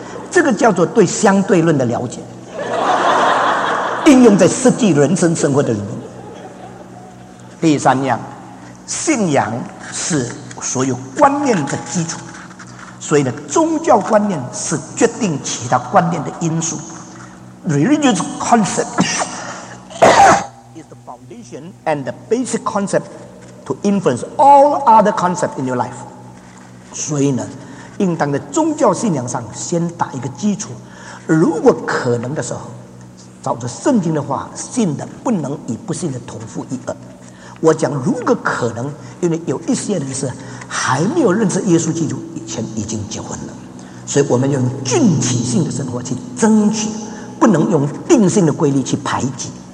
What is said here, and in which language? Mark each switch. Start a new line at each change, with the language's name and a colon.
Chinese: 这个叫做对相对论的了解，应用在实际人生生活的里面。第三样，信仰是所有观念的基础，所以呢，宗教观念是决定其他观念的因素。
English: Religious concept is the foundation and the basic concept to influence all other concepts in your life。
Chinese: 所以呢，应当在宗教信仰上先打一个基础，如果可能的时候，照着圣经的话，信的不能与不信的同父异母。我讲如果可能，因为有一些人是还没有认识耶稣基督以前已经结婚了，所以我们用具体性的生活去争取，不能用定性的规律去排挤。